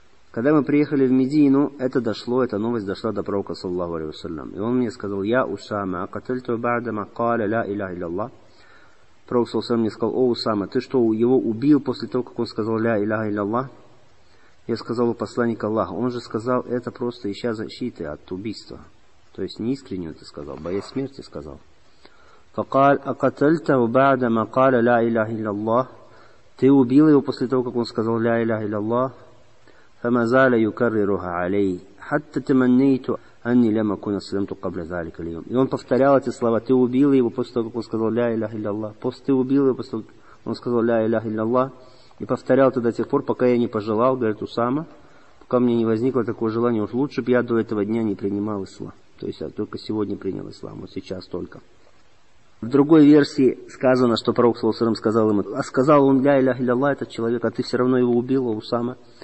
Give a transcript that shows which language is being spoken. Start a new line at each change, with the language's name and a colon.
Russian: Когда мы приехали в Медину, это дошло, эта новость дошла до пророка, саллаллаху алейхи вассалям. И он мне сказал:
Arabic: я Усама, а катальту ба'дама каля ля иляха илляллах.
Russian: Пророк, саллаллаху алейхи вассалям, мне сказал: о Усама, ты что, его убил после того, как он сказал ля иляха илляллах? Я сказал: у посланника Аллаха, он же сказал это просто ища защиты от убийства. То есть неискренне это сказал, боясь смерти сказал.
Arabic: فقال أقتلت بعد ما قال لا إله إلا الله.
Russian: Ты убил его после того, как он сказал لا إله إلا الله.
Arabic: فما زال يكررها علي حتى تمنيت أني لم أكن أسلمت قبل ذلك اليوم.
Russian: И он повторял эти слова: ты убил его после того, как он сказал لا إله إلا الله. Ты убил его после того, как он сказал لا إله إلا الله. И повторял это до тех пор, пока я не пожелал, говорит Усама, пока мне не возникло такое желание: уж лучше бы я до этого дня не принимал ислам. То есть я только сегодня принял ислам, вот сейчас только. В другой версии сказано, что пророк саллаллаху алейхи вассалям сказал ему: а сказал он ля иляха илляллах этот человек, а ты все равно его убил, о Усама.